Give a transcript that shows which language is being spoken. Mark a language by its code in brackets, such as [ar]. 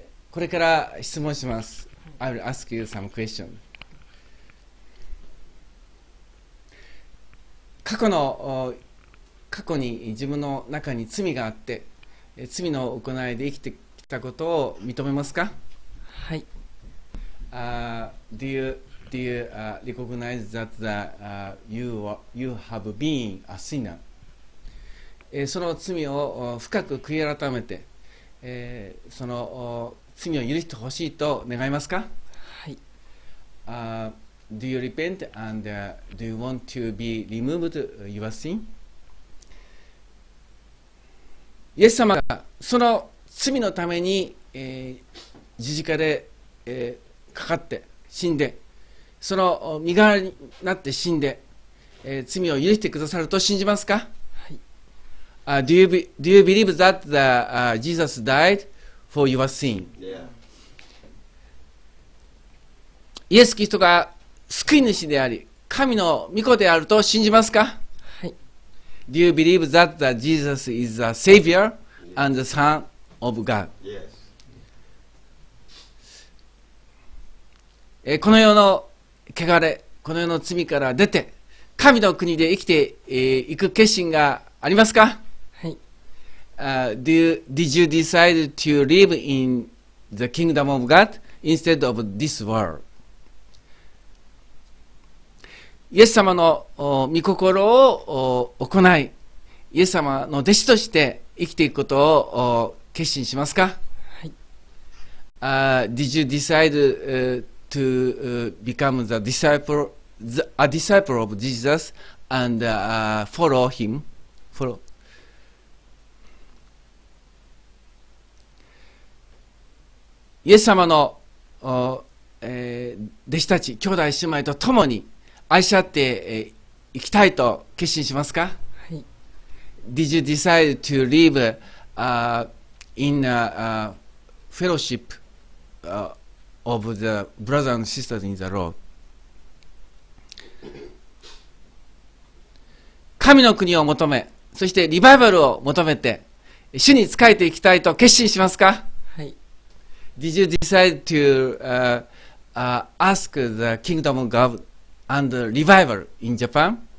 [ja] これから質問します。 [en] I will ask you some question。 [ja] 過去に自分の中に罪があって、罪の行いで生きてきたことを認めますか。はい。 [en] Do you recognize that you have been a sinner? [ja] その罪を深く悔い改めて、その罪を許してほしいと願いますか。はい。 [en] Do you repent and do you want to be removed your sin? [ja] イエス様がその罪のために、十字架で、かかって死んで、その身代わりになって死んで、罪を許してくださると信じますか。はい。 [en] Do you believe that Jesus died for your sin? Yeah. [ja] イエス・キリストが救い主であり神の御子であると信じますか。はい。 [en] Do you believe that Jesus is the Savior and the Son of God? Yes. [ja] この世の汚れ、この世の罪から出て神の国で生きていく決心がありますか。はい。 [en] Did you decide to live in the kingdom of God instead of this world. [ja] イエス様の御心を行い、イエス様の弟子として生きていくことを決心しますか？はい。 [en] Did you decide to become the disciple, a disciple of Jesus and follow him? Follow. [ja] イエス様の弟子たち、兄弟姉妹と共に愛し合っていきたいと決心しますか？ [en] Did you decide to live in a fellowship of the brothers and sisters in the Lord? [ja] 神の国を求め、そしてリバイバルを求めて、主に仕えていきたいと決心しますか？はい。 [en] Did you decide to ask the kingdom of God and revival in Japan?